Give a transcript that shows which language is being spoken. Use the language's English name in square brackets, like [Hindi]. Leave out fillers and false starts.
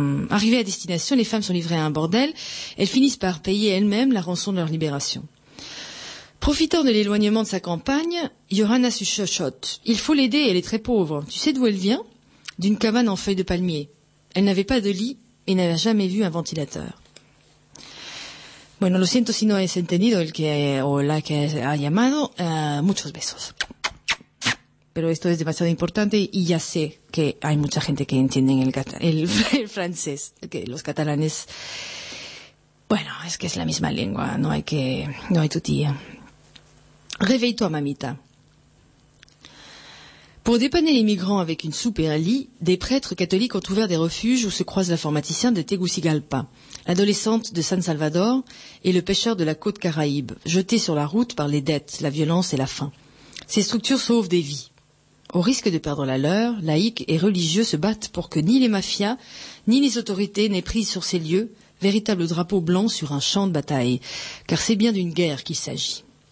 [French] Arrivées à destination, les femmes sont livrées à un bordel. Elles finissent par payer elles-mêmes la rançon de leur libération. Profitant de l'éloignement de sa campagne, Johanna se chuchote. Il faut l'aider, elle est très pauvre. Tu sais d'où elle vient? D'une cabane en feuilles de palmier. Elle n'avait pas de lit et n'avait jamais vu un ventilateur. [Spanish] Bueno, lo siento si no has entendido el que o la que ha llamado. Muchos besos. Pero esto es demasiado importante y ya sé que hay mucha gente que entiende el francés, que los catalanes, bueno, es que es la misma lengua, no hay tu tía. [French] Réveille-toi, mamita. Pour dépanner les migrants avec une soupe et un lit, des prêtres catholiques ont ouvert des refuges où se croisent l'informaticien de Tegucigalpa, l'adolescente de San Salvador et le pêcheur de la côte Caraïbe, jeté sur la route par les dettes, la violence et la faim. Ces structures sauvent des vies. Au risque de perdre la leur, laïcs et religieux se battent pour que ni les mafias, ni les autorités n'aient prise sur ces lieux, véritable drapeau blanc sur un champ de bataille, car c'est bien d'une guerre qu'il s'agit.